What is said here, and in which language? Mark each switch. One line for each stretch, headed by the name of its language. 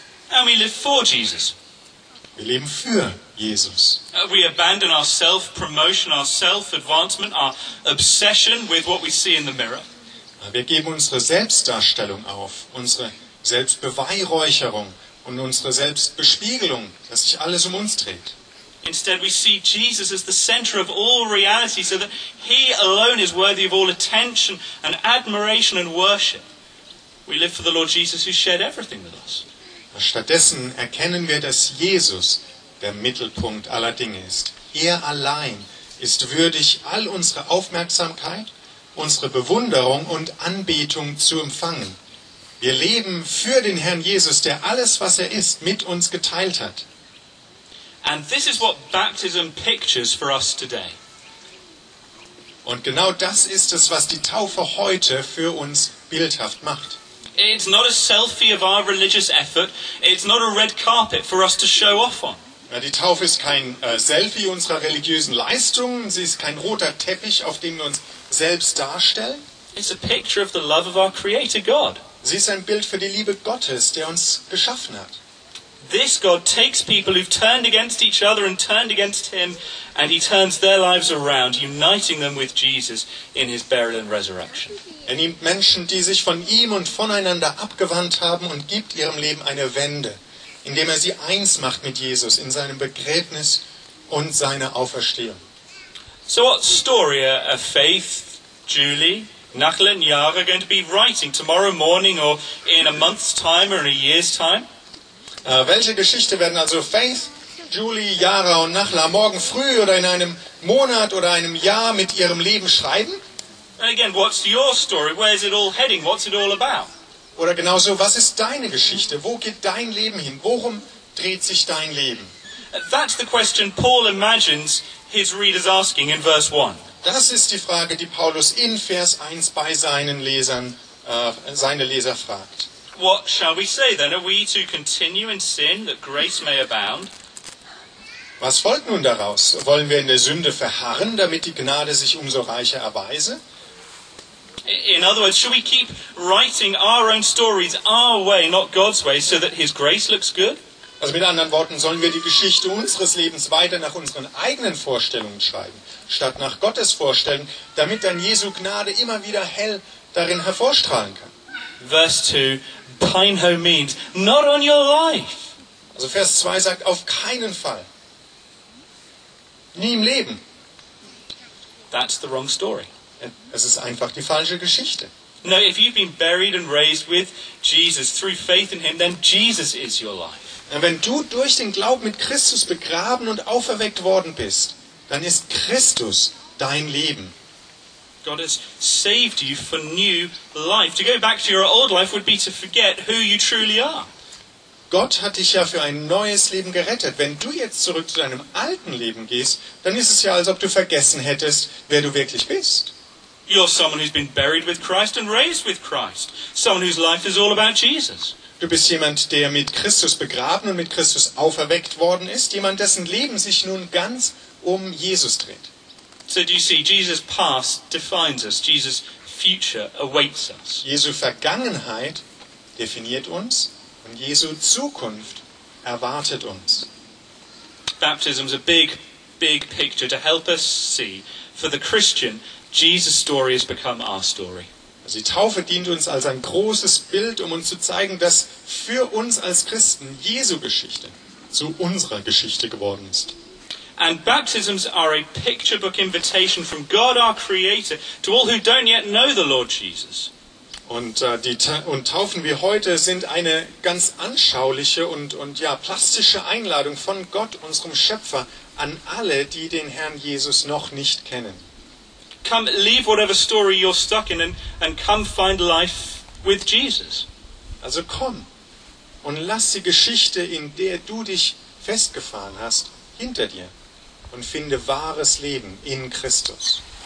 English: And we live for Jesus.
German: Wir leben für Jesus.
English: We abandon our self-promotion, our self-advancement, our obsession with what we see in the mirror.
German: Wir geben unsere Selbstdarstellung auf, unsere Selbstbeweihräucherung und unsere Selbstbespiegelung, dass sich alles um uns dreht.
English: Instead we see Jesus as the center of all reality, so that he alone is worthy of all attention and admiration and worship. We live for the Lord Jesus who shared everything with us.
German: Stattdessen erkennen wir, dass Jesus der Mittelpunkt aller Dinge ist. Er allein ist würdig, all unsere Aufmerksamkeit, unsere Bewunderung und Anbetung zu empfangen. Wir leben für den Herrn Jesus, der alles, was er ist, mit uns geteilt hat.
English: And this is what baptism pictures for us today.
German: Und genau das ist es, was die Taufe heute für uns bildhaft macht.
English: It's not a selfie of our religious effort. It's not a red carpet for us to show off on.
German: Ja, die Taufe ist kein Selfie unserer religiösen Leistungen. Sie ist kein roter Teppich, auf dem wir uns selbst darstellen.
English: It's a picture of the love of our Creator God.
German: Sie ist ein Bild für die Liebe Gottes, der uns geschaffen hat.
English: This God takes people who've turned against each other and turned against Him, and He turns their lives around, uniting them with Jesus in His burial and resurrection.
German: Er nimmt Menschen, die sich von ihm und voneinander abgewandt haben, und gibt ihrem Leben eine Wende, indem er sie eins macht mit Jesus in seinem Begräbnis und seiner Auferstehung.
English: So what story are Faith, Julie, Nachle and Yara going to be writing tomorrow morning or in a month's time or in a year's time?
German: Welche Geschichte werden also Faith, Julie, Yara und Nachla morgen früh oder in einem Monat oder einem Jahr mit ihrem Leben schreiben?
English: And again, what's your story? Where is it all heading? What's it all about?
German: Oder genauso, was ist deine Geschichte? Wo geht dein Leben hin? Worum dreht sich dein Leben?
English: That's the question Paul imagines his readers asking in verse 1.
German: Das ist die Frage, die Paulus in Vers 1 bei seinen Lesern, seine Leser fragt.
English: What shall we say then? Are we to continue in sin that grace may abound?
German: Was folgt nun daraus? Wollen wir in der Sünde verharren, damit die Gnade sich umso reicher erweise?
English: In other words, should we keep writing our own stories our way, not God's way, so that His grace looks good?
German: Also mit anderen Worten, sollen wir die Geschichte unseres Lebens weiter nach unseren eigenen Vorstellungen schreiben, statt nach Gottes Vorstellungen, damit dann Jesu Gnade immer wieder hell darin hervorstrahlen kann?
English: Verse 2, Pineho means, not on your life.
German: Also Vers 2 sagt, auf keinen Fall. Nie im Leben.
English: That's the wrong story.
German: Es ist einfach die falsche Geschichte.
English: No, if you've been buried and raised with Jesus through faith in him, then Jesus is your life.
German: Wenn du durch den Glauben mit Christus begraben und auferweckt worden bist, dann ist Christus dein Leben.
English: God has saved you for new life. To go back to your old life would be to forget who you truly are.
German: Gott hat dich ja für ein neues Leben gerettet. Wenn du jetzt zurück zu deinem alten Leben gehst, dann ist es ja, als ob du vergessen hättest, wer du wirklich bist.
English: You're someone who's been buried with Christ and raised with Christ. Someone whose life is all about Jesus.
German: Du bist jemand, der mit Christus begraben und mit Christus auferweckt worden ist. Jemand, dessen Leben sich nun ganz um Jesus dreht.
English: So do you see, Jesus' past defines us. Jesus' future awaits us.
German: Jesu Vergangenheit definiert uns und Jesu Zukunft erwartet uns.
English: Baptism is a big, big picture to help us see. For the Christian, Jesus' story has become our story.
German: Also die Taufe dient uns als ein großes Bild, um uns zu zeigen, dass für uns als Christen Jesu Geschichte zu unserer Geschichte geworden ist.
English: And baptisms are a picture book invitation from God our Creator to all who don't yet know the Lord Jesus.
German: Und Taufen wie heute sind eine ganz anschauliche und plastische Einladung von Gott, unserem Schöpfer, an alle, die den Herrn Jesus noch nicht kennen.
English: Come, leave whatever story you're stuck in and come find life with Jesus.
German: Also komm und lass die Geschichte, in der du dich festgefahren hast, hinter dir und finde wahres Leben in Christus.